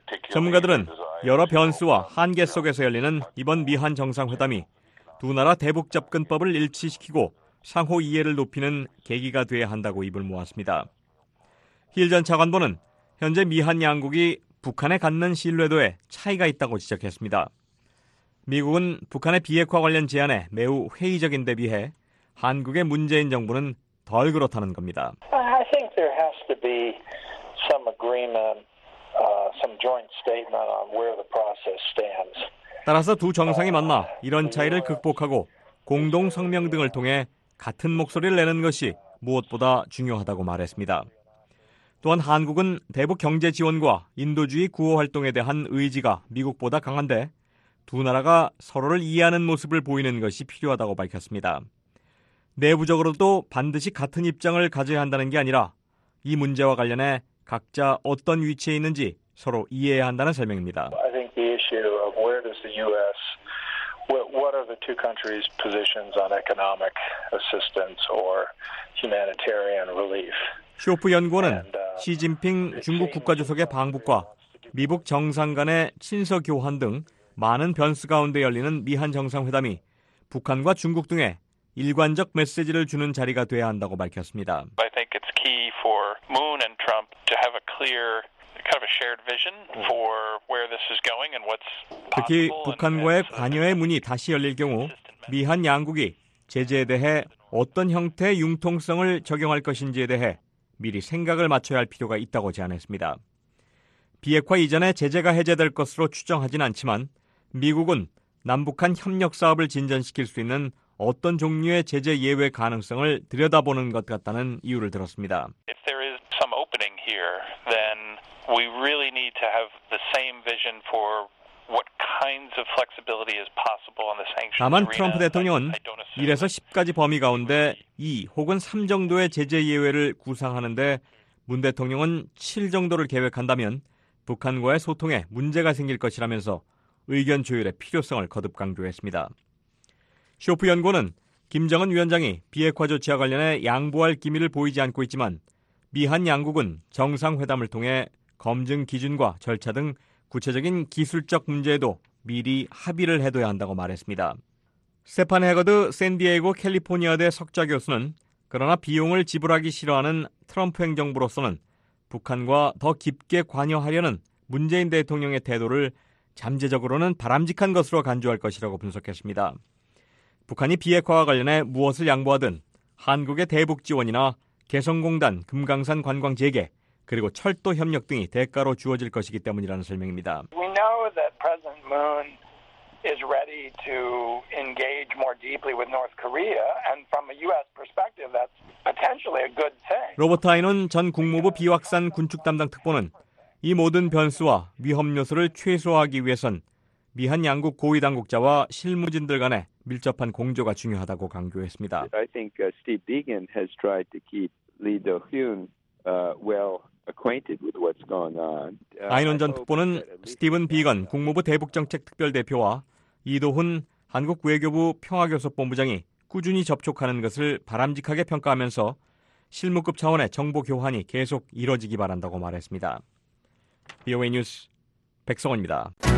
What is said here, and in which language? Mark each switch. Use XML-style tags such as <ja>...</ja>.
<ko>전문가들은 여러 변수와 한계 속에서 열리는 이번 미한 정상회담이 두 나라 대북 접근법을 일치시키고 상호 이해를 높이는 계기가 돼야 한다고 입을 모았습니다. 힐 전 차관보는 현재 미한 양국이 북한에 갖는 신뢰도에 차이가 있다고 지적했습니다. 미국은 북한의 비핵화 관련 제안에 매우 회의적인 데 비해 한국의 문재인 정부는 덜 그렇다는 겁니다.</ko> <en>I think there has to be some agreement, some joint statement on where the process stands.</en> <ko>따라서 두 정상이 만나 이런 차이를 극복하고 공동 성명 등을 통해 같은 목소리를 내는 것이 무엇보다 중요하다고 말했습니다. 또한 한국은 대북 경제 지원과 인도주의 구호 활동에 대한 의지가 미국보다 강한데 두 나라가 서로를 이해하는 모습을 보이는 것이 필요하다고 밝혔습니다. 내부적으로도 반드시 같은 입장을 가져야 한다는 게 아니라 이 문제와 관련해 각자 어떤 위치에 있는지 서로 이해해야 한다는 설명입니다.</ko> <en>I think the issue of where does the U.S. what are the two countries' positions on economic assistance or humanitarian relief?</en> <ko>쇼프 연구원은 시진핑 중국 국가주석의 방북과 미국 정상 간의 친서 교환 등 많은 변수 가운데 열리는 미한 정상회담이 북한과 중국 등에 일관적 메시지를 주는 자리가 돼야 한다고 밝혔습니다.</ko> <en>I think it's key for Moon and Trump to have a clear kind of a shared vision for where this is going and what's possible.</en> <ko>특히 북한과의 관여의 문이 다시 열릴 경우 미한 양국이 제재에 대해 어떤 형태의 융통성을 적용할 것인지에 대해 미리 생각을 맞춰야 할 필요가 있다고 제안했습니다. 비핵화 이전에 제재가 해제될 것으로 추정하진 않지만 미국은 남북한 협력 사업을 진전시킬 수 있는 어떤 종류의 제재 예외 가능성을 들여다보는 것 같다는 이유를 들었습니다.</ko> <en>If there is some opening here, then we really need to have the same vision for what kinds of flexibility is possible on the sanctions.</en> <ko>다만 트럼프 대통령은 1에서 10가지 범위 가운데 2 혹은 3 정도의 제재 예외를 구상하는데 문 대통령은 7 정도를 계획한다면 북한과의 소통에 문제가 생길 것이라면서 의견 조율의 필요성을 거듭 강조했습니다. 쇼프 연구원은 김정은 위원장이 비핵화 조치와 관련해 양보할 기미를 보이지 않고 있지만 미한 양국은 정상회담을 통해 검증 기준과 절차 등 구체적인 기술적 문제에도 미리 합의를 해둬야 한다고 말했습니다. 스테판 해거드 샌디에이고 캘리포니아대 석좌 교수는 그러나 비용을 지불하기 싫어하는 트럼프 행정부로서는 북한과 더 깊게 관여하려는 문재인 대통령의 태도를 잠재적으로는 바람직한 것으로 간주할 것이라고 분석했습니다. 북한이 비핵화와 관련해 무엇을 양보하든 한국의 대북 지원이나 개성공단, 금강산 관광 재개, 그리고 철도 협력 등이 대가로 주어질 것이기 때문이라는 설명입니다.</ko> <en>We know that President Moon is ready to engage more deeply with North Korea, and from a U.S. perspective, that's potentially a good thing.</en> <ko>로버트 하이논 전 국무부 비확산 군축 담당 특보는 이 모든 변수와 위험 요소를 최소화하기 위해선 미한 양국 고위 당국자와 실무진들 간의 밀접한 공조가 중요하다고 강조했습니다.</ko> <en>I think Steve Deegan has tried to keep Leader Hyun well acquainted with what's going on.</en> <ko>아이논 전 특보는 스티븐 비건 국무부 대북정책특별대표와 이도훈 한국 외교부 평화교섭본부장이 꾸준히 접촉하는 것을 바람직하게 평가하면서 실무급 차원의 정보 교환이 계속 이뤄지기 바란다고 말했습니다. BOA 뉴스 백성원입니다.</ko>